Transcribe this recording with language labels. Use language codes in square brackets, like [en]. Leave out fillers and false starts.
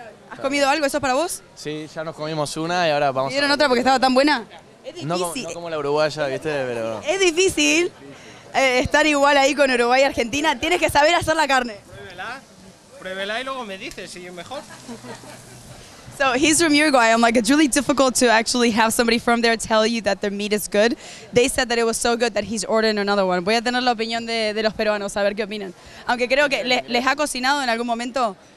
[es] ¿Has comido algo? ¿Eso es para vos? Sí, ya nos comimos una y ahora vamos. ¿Vieron otra porque estaba tan buena? No, como la uruguaya, ¿viste? Pero es difícil estar igual ahí con Uruguay y Argentina. Tienes que saber hacer la carne. Pruébela y luego me dices si es mejor. [en] So he's from Uruguay. I'm like, it's really difficult to actually have somebody from there tell you that their meat is good. They said that it was so good that he's ordering another one. [es] Voy a tener la opinión de los peruanos, a ver qué opinan. Aunque creo que les ha cocinado en algún momento.